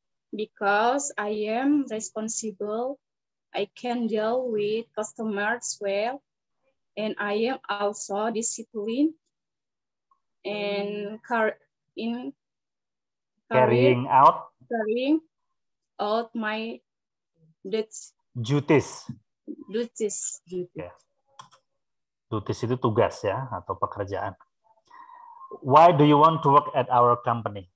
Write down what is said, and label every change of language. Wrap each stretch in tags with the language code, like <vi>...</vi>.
<en>Because I am responsible, I can deal with customers well, and I am also disciplined and carrying out my duties. Duties.</en> <id>Duties itu tugas ya atau pekerjaan.</id> <en>Why do you want to work at our company?</en>